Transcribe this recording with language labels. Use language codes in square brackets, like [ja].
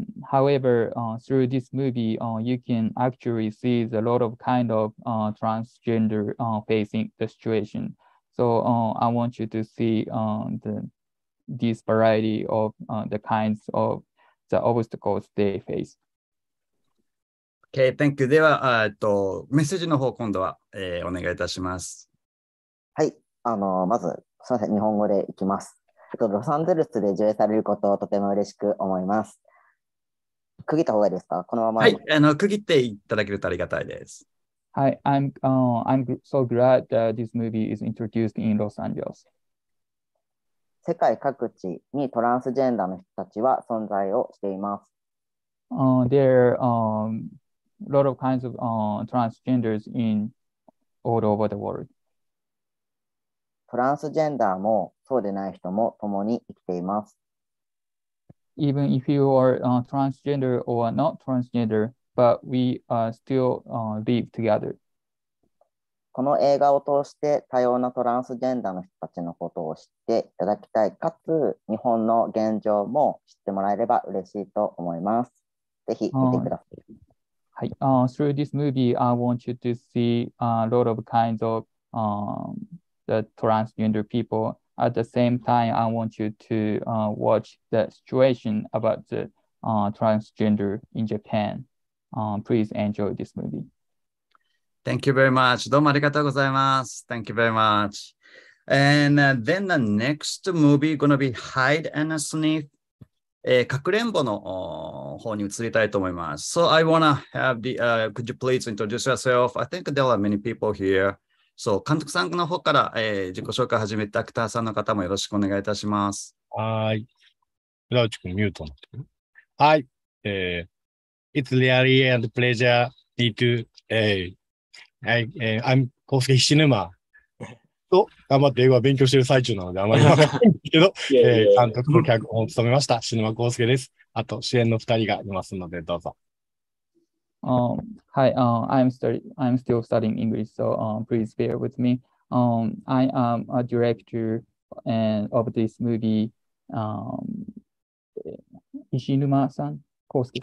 [en] However, through this movie, you can actually see a lot of kind of transgender facing the situation. So I want you to see this variety of the kinds of the obstacles they face. Okay, thank you. [ja] では、メッセージの方今度は、お願いいたします。はい、まずすみません、日本語でいきます。ロサンゼルスで上映されることをとても嬉しく思います。区切った方がいいですか？このまま。はい、区切っていただけるとありがたいです。 [en] はい、I'm so glad that this movie is introduced in Los Angeles. [ja] 世界各地にトランスジェンダーの人たちは存在をしています。 [en] There are lot of kinds of transgenders in all over the world. [ja] トランスジェンダーもそうでない人も共に生きています。 [en] Even if you are transgender or not transgender, but we still live together. [ja] この映画を通して多様なトランスジェンダーの人たちのことを知っていただきたい、かつ日本の現状も知ってもらえれば嬉しいと思います。ぜひ見てください。はい。 [en] Through this movie, I want you to see a lot of kinds of the transgender people. At the same time, I want you to watch the situation about the transgender in Japan. Please enjoy this movie. Thank you very much. [ja] どうもありがとうございます。 [en] Thank you very much. And then the next movie is going to be Hide and Sniff. [ja] かくれんぼの方に移りたいと思います。 [en] So I want to have the, could you please introduce yourself? I think there are many people here. [ja] そう、監督さんの方から、自己紹介を始めたアクターさんの方もよろしくお願いいたします。はい、フラウチ君ミュートになってる。はい、 [en] It's really a pleasure me to I'm [ja] Kosuke Hishinuma と頑張って英語を勉強している最中なのであまり分からないけど監督の脚本を務めました Hishinuma Kosukeです。あと主演の2人がいますのでどうぞ。 [en] Hi, I'm still studying English, so please bear with me. I am a director of this movie, Hishinuma-san, Kosuke.